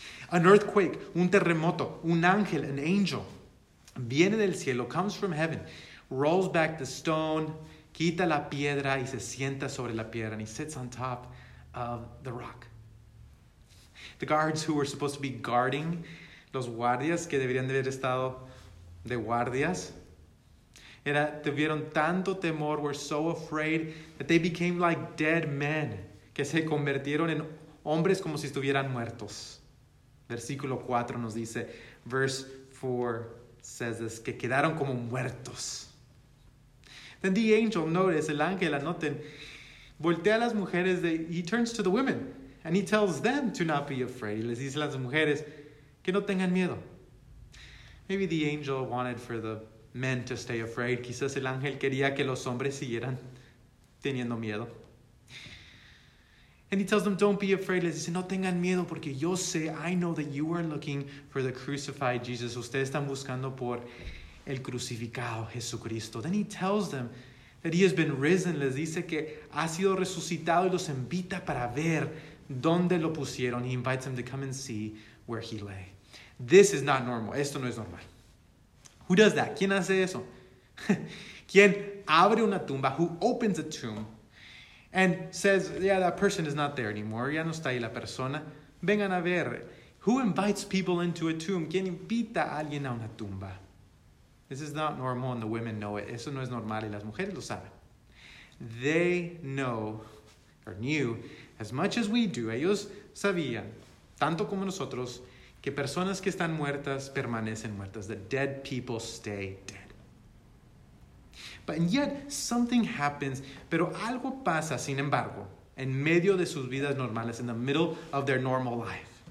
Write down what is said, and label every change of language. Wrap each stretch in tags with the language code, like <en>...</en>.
<en>An earthquake,</en> <es>un terremoto, un ángel,</es> <en>an angel,</en> <es>viene del cielo,</es> <en>comes from heaven, rolls back the stone,</en> <es>quita la piedra y se sienta sobre la piedra,</es> <en>and he sits on top of the rock. The guards who were supposed to be guarding</en> <es>Los guardias que deberían de haber estado de guardias. Era, tuvieron tanto temor,</es> <en>were so afraid, that they became like dead men.</en> <es>Que se convirtieron en hombres como si estuvieran muertos. Versículo 4 nos dice,</es> <en>verse 4 says this,</en> <es>que quedaron como muertos.</es> <en>Then the angel, notice,</en> <es>el ángel, anoten, voltea a las mujeres,</es> <en>he turns to the women, and he tells them to not be afraid.</en> <es>Y les dice a las mujeres, que no tengan miedo.</es> <en>Maybe the angel wanted for the men to stay afraid.</en> <es>Quizás el ángel quería que los hombres siguieran teniendo miedo.</es> <en>And he tells them, don't be afraid.</en> <es>Les dice, no tengan miedo, porque yo sé,</es> <en>I know that you are looking for the crucified Jesus.</en> <es>Ustedes están buscando por el crucificado Jesucristo.</es> <en>Then he tells them that he has been risen.</en> <es>Les dice que ha sido resucitado y los invita para ver dónde lo pusieron.</es> <en>He invites them to come and see where he lay. This is not normal.</en> <es>Esto no es normal.</es> <en>Who does that?</en> <es>¿Quién hace eso? ¿Quién abre una tumba?</es> <en>Who opens a tomb and says, yeah, that person is not there anymore.</en> <es>Ya no está ahí la persona. Vengan a ver.</es> <en>Who invites people into a tomb?</en> <es>¿Quién invita a alguien a una tumba?</es> <en>This is not normal and the women know it.</en> <es>Eso no es normal y las mujeres lo saben.</es> <en>They know or knew as much as we do.</en> <es>Ellos sabían, tanto como nosotros, que personas que están muertas permanecen muertas.</es> <en>That dead people stay dead. But and yet, something happens.</en> <es>Pero algo pasa, sin embargo, en medio de sus vidas normales,</es> <en>in the middle of their normal life.</en>